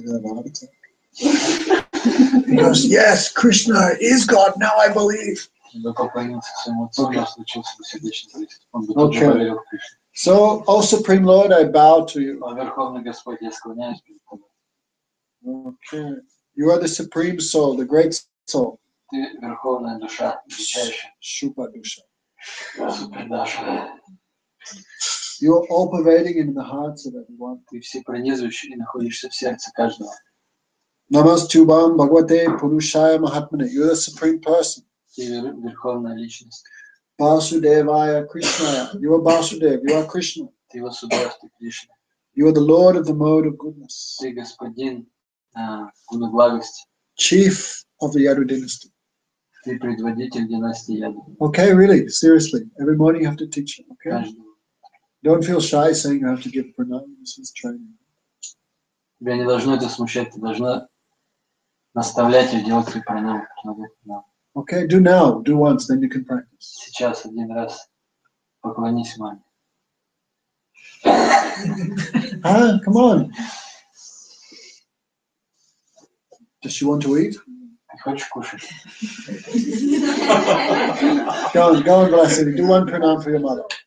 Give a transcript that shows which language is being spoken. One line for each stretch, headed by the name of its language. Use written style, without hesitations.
English: He had a heart attack. He goes, yes, Krishna is God. Now I believe. Okay. So, O Supreme Lord, I bow to you. Okay. You are the supreme soul, the great soul.
Russian: Ты верховная душа, величайшая. Шупа душа. Супер душа.
English: You are all pervading in the hearts of everyone.
Russian: Ты все пронизывающий и находишься в сердце каждого.
Sanskrit: Намастюбам Бхагавате Пурушая Махатмане.
English: You are the supreme person.
Russian: Ты верховная личность.
English: Vasudevaya Krishna. You are Vasudev. You are Krishna.
Russian: Ты Васудев, ты Кришна.
English: You are the Lord of the mode of goodness.
Russian: Ты господин гуна благости.
English: Chief of the Yadu dynasty.
Russian: Ты предводитель династии Яду.
English: Okay, really, seriously. Every morning you have to teach them, okay? Don't feel shy saying you have to give pranayamas training.
Russian: Тебя не должно это смущать, ты должна наставлять и делать свои пранаямы.
English: Okay, do now, do once, then you can practice.
Russian: Сейчас один раз поклонись маме.
English: Huh? Come on. Does she want to eat?
Russian: Ты хочешь кушать?
English: Go on, go on, bless you. Do one pranam for your mother.